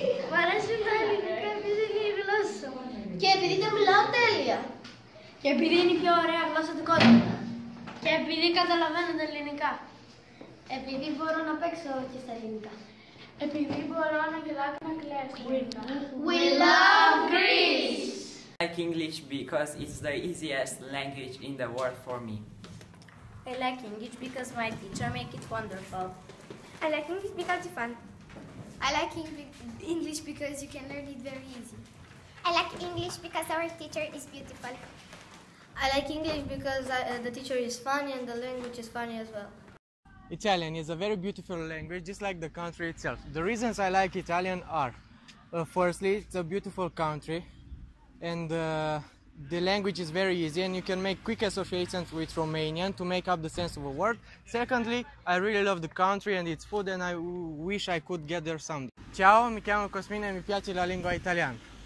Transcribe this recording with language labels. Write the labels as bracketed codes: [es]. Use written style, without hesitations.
[el] Μ' αρέσει να μιλάω ελληνικά επειδή είναι η γλώσσα μου. Και επειδή το μιλάω τέλεια. Και επειδή είναι η πιο ωραία γλώσσα του κόσμου. Και επειδή καταλαβαίνω τα ελληνικά. Επειδή μπορώ να παίξω και στα ελληνικά. Επειδή μπορώ να μιλάω και να κλαίω στα ελληνικά. [en] We love Greece! I like English because it's the easiest language in the world for me. I like English because my teacher makes it wonderful. I like English because it's fun. I like English because you can learn it very easy. I like English because our teacher is beautiful. I like English because the teacher is funny and the language is funny as well. Italian is a very beautiful language, just like the country itself. The reasons I like Italian are, firstly, it's a beautiful country, and the language is very easy and you can make quick associations with Romanian to make up the sense of a word. Secondly, I really love the country and its food and I wish I could get there someday. [it] Ciao, mi chiamo Cosmina e mi piace la lingua italiana.